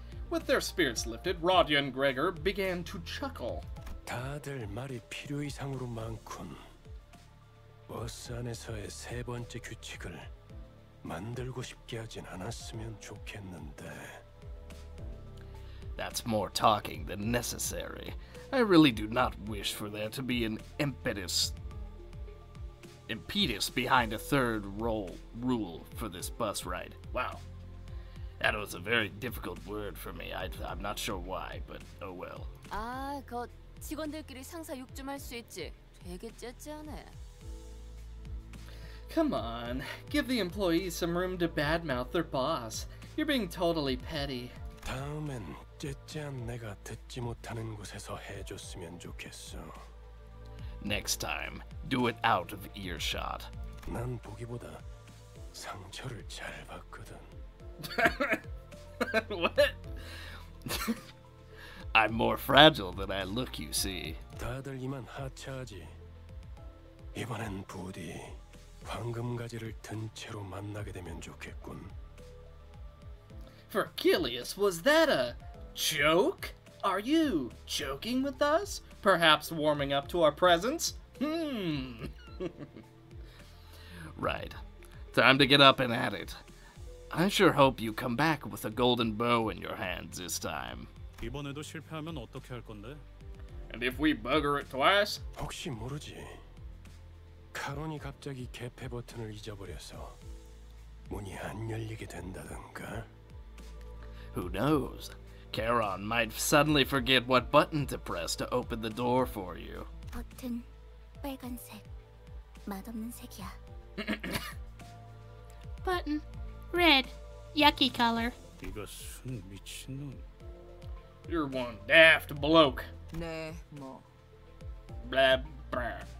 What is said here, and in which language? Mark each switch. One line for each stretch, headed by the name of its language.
English: With their spirits lifted, Rodya and Gregor began to chuckle.
Korean: 다들 말이 필요 이상으로 많군. 버스 안에서의 세 번째 규칙을 만들고 싶게 하진 않았으면 좋겠는데...
English: That's more talking than necessary. I really do not wish for there to be an impetus behind a third rule for this bus ride. Wow. That was a very difficult word for me. I'm not sure why, but oh well.
Korean: 아, 그 직원들끼리 상사 욕 좀 할 수 있지. 되게 쩨쩨하네.
English: Come on. Give the employees some room to badmouth their boss. You're being totally petty.
Korean: 다음엔 쩨쩨한 내가 듣지 못하는 곳에서 해줬으면 좋겠어.
English: Next time, do it out of earshot.
Korean: 난 보기보다 상처를 잘 받거든.
English: What? I'm more fragile than I look, you see.
Korean: 다들 이만 하차하지. 이번엔 부디 황금 가지를 든 채로 만나게 되면 좋겠군.
English: Virgilius, was that a joke? Are you joking with us? Perhaps warming up to our presence? Right. Time to get up and at it. I sure hope you come back with a golden bow in your hands this time.
Korean: 이번에도 실패하면 어떻게 할 건데?
English: And if we bugger it twice?
Korean: 혹시 모르지. 카론이 갑자기 개폐 버튼을 잊어버려서 문이 안 열리게 된다던가.
English: Who knows? Charon might suddenly forget what button to press to open the door for you.
Korean: 버튼 빨간색, 맛없는 색이야.
English: Button red, yucky color.
Korean: 이것은 미친놈.
English: You're one daft bloke.
Korean: 네, 뭐.
English: Blah, blah.